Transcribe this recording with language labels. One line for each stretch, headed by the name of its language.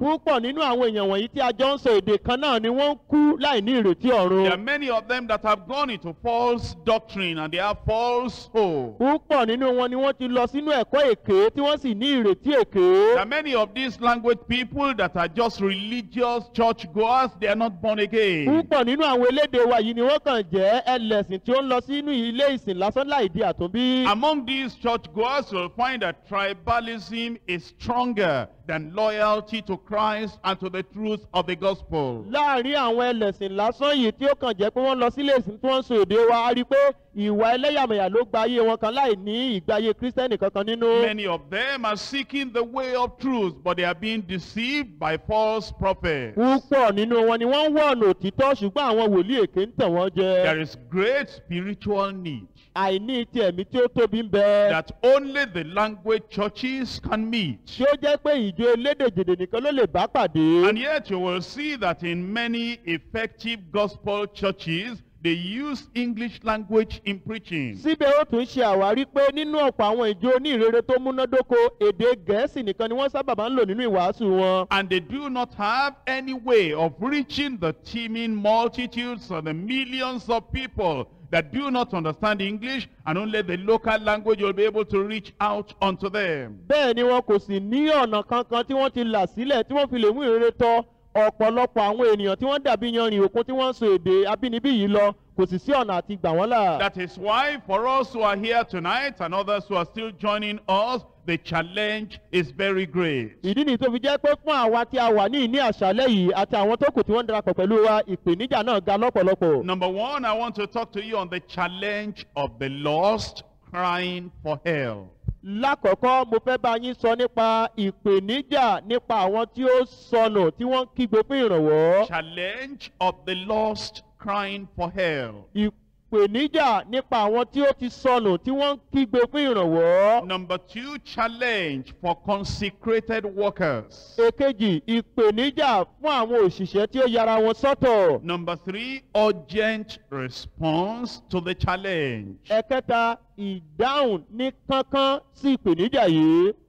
Yoruba: Pupo ninu awon eyan won yi ti a jo nso ede kan na ni won ku lai ni ireti orun.
English: There are many of them that have gone into false doctrine and they have false hope.
Yoruba: Pupo ninu won ni won ti lo sinu eko eke ti won si ni ireti eke.
English: There are many of these language people that are just religious church goers, they are not born again.
Yoruba: Púpọ̀ nínú àwọn elédè wa yìí ni wọ́n kàn jẹ́ ẹlẹ́sìn tí ó ń lọ sínú ilé ìsìn lásán láì di àtúnbí.
English: Among these churchgoers, you'll find that tribalism is stronger than loyalty to Christ and to the truth of the gospel.
Yoruba: Láàrin àwọn ẹlẹ́sìn lásán yìí tí ó kàn jẹ́ pé wọ́n lọ sí ilé ìsìn tí wọ́n ń sọ èdè wa, a rí pé ìwà ẹlẹ́yàmẹ̀yà ló gba ayé wọn kan láì ní ìgbáyé kírísítẹ́nì kankan nínú.
English: Many of them are seeking the way of truth, but they are being deceived by false prophets.
Yoruba: Púpọ̀ nínú wọn ni wọ́n wọ̀ ọ̀nà òtítọ́, ṣùgbọ́n àwọn wòlíì èké ń tàn wọ́n jẹ.
English: There is great spiritual need.
Yoruba: Àìní ti ẹ̀mí tí ó tóbi ń bẹ.
English: That only the language churches can meet.
Yoruba: Ṣé ó jẹ́ pé ìjọ elédèjìdè nìkan ló lè bá pàdé?
English: And yet you will see that in many effective gospel churches, they use English language in preaching.
Yoruba: Síbẹ̀ ó tún ṣe àwárí pé nínú ọ̀pọ̀ àwọn ìjọ onírere tó múnádóko, èdè Gẹ̀ẹ́sì nìkan ni wọ́n sábà máa ń lò nínú ìwàásù wọn.
English: And they do not have any way of reaching the teeming multitudes of the millions of people that do not understand English, and only the local language will be able to reach out unto them.
Yoruba: Bẹ́ẹ̀ ni wọn kò sì ní ọ̀nà kankan tí wọ́n ti là sílẹ̀ tí wọ́n fi lè mú ìrere tọ́. Ọ̀pọ̀lọpọ̀ àwọn ènìyàn tí wọ́n dàbí yanrìn òkun tí wọ́n ń sọ èdè abínibí yìí lọ, kò sì sí ọ̀nà àti gbà wọ́n là.
English: That is why for us who are here tonight and others who are still joining us, the challenge is very great.
Yoruba: Ìdí ni tó fi jẹ́ pé fún àwa tí a wà ní ìní àṣálẹ́ yìí àti àwọn tó kù tí wọ́n darapọ̀ pẹ̀lú wa, ìpèníjà náà ga lọ́pọ̀lọpọ̀.
English: Number one, I want to talk to you on the challenge of the lost crying for help.
Yoruba: Lákọ̀ọ́kọ́, mo fẹ́ bá yín sọ nípa ìpèníjà nípa àwọn tí ó sọnù tí wọ́n ń kígbe fún ìrànwọ́.
English: Challenge of the lost crying for help.
Yoruba: Ìpèníjà nípa àwọn tí ó ti sọnù tí wọ́n ń kígbe fún ìrànwọ́.
English: Number two, challenge for consecrated workers.
Yoruba: Èkejì, ìpèníjà fún àwọn òṣìṣẹ́ tí ó yara wọn sọ́tọ̀.
English: Number three, urgent response to the challenge.
Yoruba: Ẹ̀kẹta, ìdáhùn ní kankan sí ìpèníjà yìí.